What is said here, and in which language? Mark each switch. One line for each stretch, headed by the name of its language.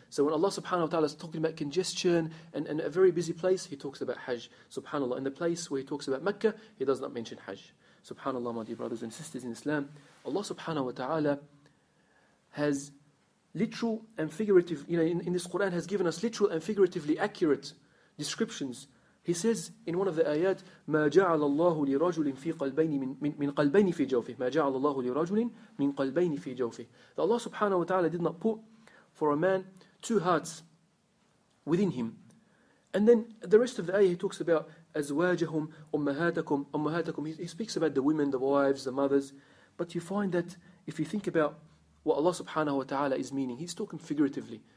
English: So when Allah subhanahu wa ta'ala is talking about congestion and a very busy place, He talks about Hajj, subhanAllah. And the place where He talks about Mecca, He does not mention Hajj. SubhanAllah, my dear brothers and sisters in Islam, Allah subhanahu wa ta'ala has literal and figurative, you know, in this Quran has given us literal and figuratively accurate descriptions. He says in one of the ayat,
Arabic: ما جعل الله لرجل في قلبين من قلبين في جوفه. ما جعل الله لرجل من قلبين في جوفه.
English: That Allah subhanahu wa ta'ala did not put for a man two hearts within him. And then the rest of the ayah, He talks about
Arabic: أزواجهم أمهاتكم.
English: He speaks about the women, the wives, the mothers. But you find that if you think about what Allah subhanahu wa ta'ala is meaning, He's talking figuratively.